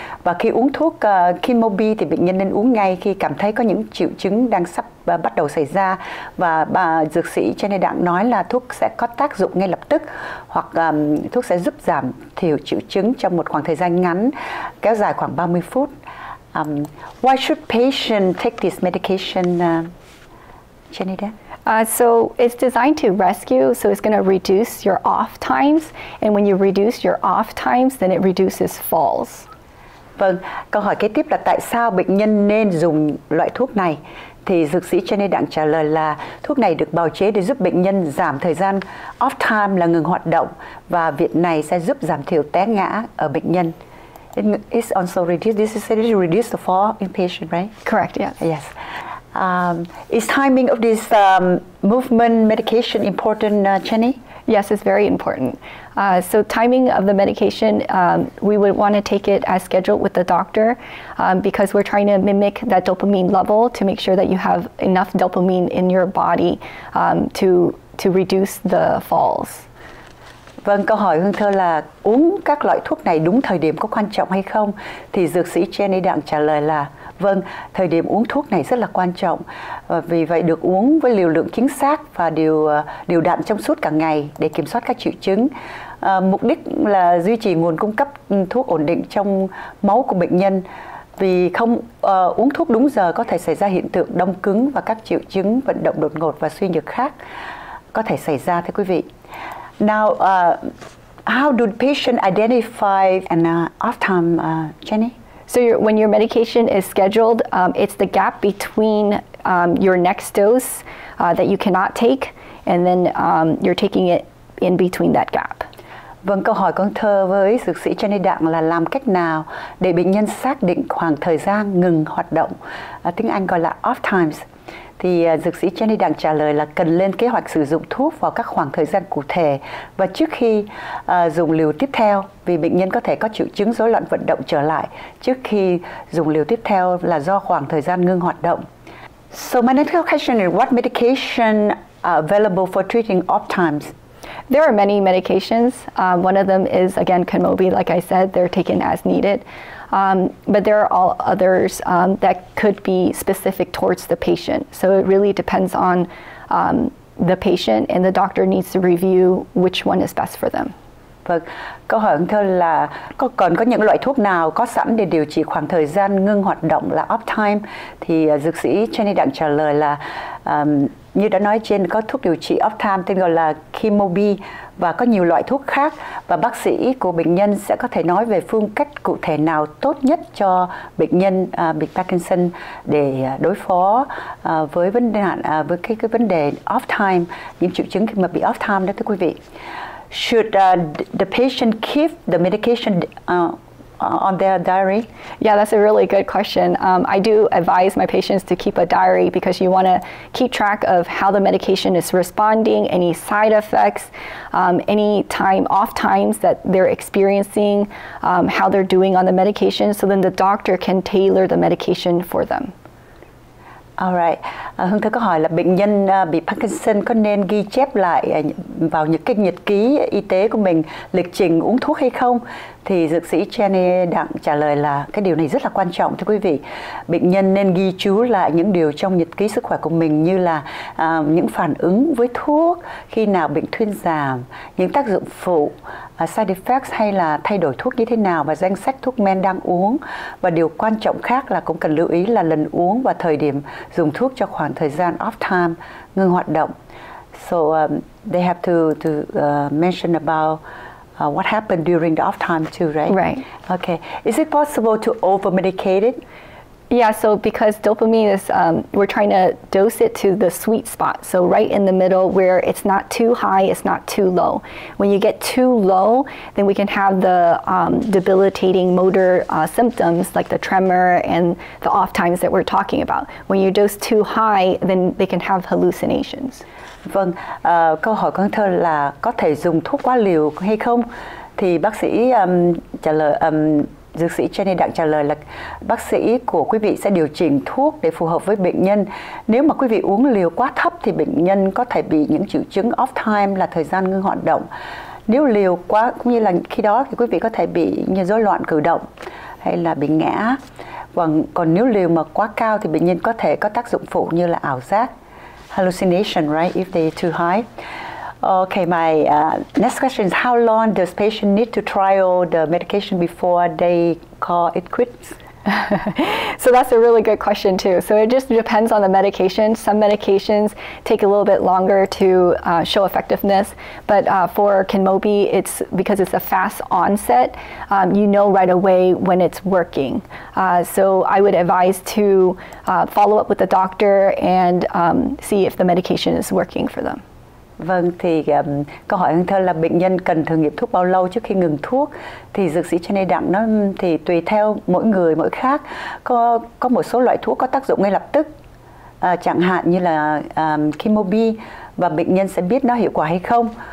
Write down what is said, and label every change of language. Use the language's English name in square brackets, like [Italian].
[Vietnamese] Và khi uống thuốc Kimobi thì bệnh nhân nên uống ngay khi cảm thấy có những triệu chứng đang sắp bắt đầu xảy ra. Và bà dược sĩ Jenny Đặng nói là thuốc sẽ có tác dụng ngay lập tức, hoặc thuốc sẽ giúp giảm thiểu triệu chứng trong một khoảng thời gian ngắn, kéo dài khoảng 30 phút. [English] Why should patients take this medication, Jenny Đặng? So it's designed to rescue, so it's going to reduce your off times. And when you reduce your off times, then it reduces falls. [Vietnamese] Vâng, câu hỏi kế tiếp là tại sao bệnh nhân nên dùng loại thuốc này? Thì dược sĩ Jenny Đặng trả lời là thuốc này được bào chế để giúp bệnh nhân giảm thời gian off time, là ngừng hoạt động, và việc này sẽ giúp giảm thiểu té ngã ở bệnh nhân. [English] It's also reduced, this is to reduce the fall in patient, right? Correct, yes. Yes. Is timing of this movement medication important, Jenny? Yes, it's very important. So timing of the medication, we would want to take it as scheduled with the doctor, because we're trying to mimic that dopamine level to make sure that you have enough dopamine in your body to reduce the falls. [Vietnamese] Vâng, câu hỏi Hương Thơ là uống các loại thuốc này đúng thời điểm có quan trọng hay không? Thì dược sĩ Jenny Đặng trả lời là vâng, thời điểm uống thuốc này rất là quan trọng. Vì vậy được uống với liều lượng chính xác và đều đặn trong suốt cả ngày để kiểm soát các triệu chứng. Mục đích là duy trì nguồn cung cấp thuốc ổn định trong máu của bệnh nhân. Vì không uống thuốc đúng giờ có thể xảy ra hiện tượng đông cứng và các triệu chứng vận động đột ngột và suy nhược khác có thể xảy ra, thưa quý vị. [English] Now, how do patients identify an off time, Jenny? So when your medication is scheduled, it's the gap between your next dose that you cannot take, and then you're taking it in between that gap. [Vietnamese] Vâng, câu hỏi con thơ với dược sĩ Jenny Đặng là làm cách nào để bệnh nhân xác định khoảng thời gian ngừng hoạt động, tiếng Anh gọi là off times. Thì dược sĩ Jenny Đặng trả lời là cần lên kế hoạch sử dụng thuốc vào các khoảng thời gian cụ thể và trước khi dùng liều tiếp theo, vì bệnh nhân có thể có triệu chứng rối loạn vận động trở lại trước khi dùng liều tiếp theo là do khoảng thời gian ngưng hoạt động. [English] So my next question is, what medication are available for treating off times? There are many medications. One of them is, again, Kimobi, like I said, they're taken as needed. But there are all others that could be specific towards the patient. So it really depends on the patient, and the doctor needs to review which one is best for them. [Vietnamese] Vâng, câu hỏi thứ là còn có những loại thuốc nào có sẵn để điều trị khoảng thời gian ngưng hoạt động là off time? Thì dược sĩ Jenny Đặng trả lời là như đã nói trên, có thuốc điều trị off time tên gọi là Kimobi và có nhiều loại thuốc khác, và bác sĩ của bệnh nhân sẽ có thể nói về phương cách cụ thể nào tốt nhất cho bệnh nhân bị Parkinson để đối phó với vấn đề với cái vấn đề off time, những triệu chứng khi mà bị off time đó, thưa quý vị. [English] Should the patient keep the medication on their diary? Yeah, that's a really good question. I do advise my patients to keep a diary because you want to keep track of how the medication is responding, any side effects, any time off times that they're experiencing, how they're doing on the medication, so then the doctor can tailor the medication for them. [Vietnamese] Alright, Hương Thơ có hỏi là bệnh nhân bị Parkinson có nên ghi chép lại vào những cái nhật ký y tế của mình lịch trình uống thuốc hay không? Thì dược sĩ Jenny Đặng trả lời là cái điều này rất là quan trọng, thưa quý vị. Bệnh nhân nên ghi chú lại những điều trong nhật ký sức khỏe của mình, như là những phản ứng với thuốc, khi nào bệnh thuyên giảm, những tác dụng phụ, [English] side effects, [Vietnamese] hay là thay đổi thuốc như thế nào, và danh sách thuốc men đang uống. Và điều quan trọng khác là cũng cần lưu ý là lần uống và thời điểm dùng thuốc cho khoảng thời gian off time, ngừng hoạt động. [English] So they have to mention about what happened during the off time too, right? Right. Okay. Is it possible to over-medicate it? Yeah, so because dopamine is, we're trying to dose it to the sweet spot. So right in the middle where it's not too high, it's not too low. When you get too low, then we can have the debilitating motor symptoms like the tremor and the off times that we're talking about. When you dose too high, then they can have hallucinations. [Vietnamese] Vâng, câu hỏi của anh Thơ là có thể dùng thuốc quá liều hay không? Thì bác sĩ trả lời, dược sĩ Jenny Đặng trả lời là bác sĩ của quý vị sẽ điều chỉnh thuốc để phù hợp với bệnh nhân. Nếu mà quý vị uống liều quá thấp thì bệnh nhân có thể bị những triệu chứng off time là thời gian ngưng hoạt động. Nếu liều quá, cũng như là khi đó thì quý vị có thể bị như rối loạn cử động hay là bị ngã. Còn nếu liều mà quá cao thì bệnh nhân có thể có tác dụng phụ như là ảo giác. [English] Hallucination, right? If they too high. Okay, my next question is: how long does patient need to trial the medication before they call it quits? So that's a really good question too. So it just depends on the medication. Some medications take a little bit longer to show effectiveness, but for Kenmobi, it's because it's a fast onset. You know right away when it's working. So I would advise to follow up with the doctor and see if the medication is working for them. [Vietnamese] Vâng, thì câu hỏi anh Thơ là bệnh nhân cần thử nghiệm thuốc bao lâu trước khi ngừng thuốc. Thì dược sĩ Jenny Đặng nó thì tùy theo mỗi người, mỗi khác. Có một số loại thuốc có tác dụng ngay lập tức, chẳng hạn như là Kimobi, và bệnh nhân sẽ biết nó hiệu quả hay không.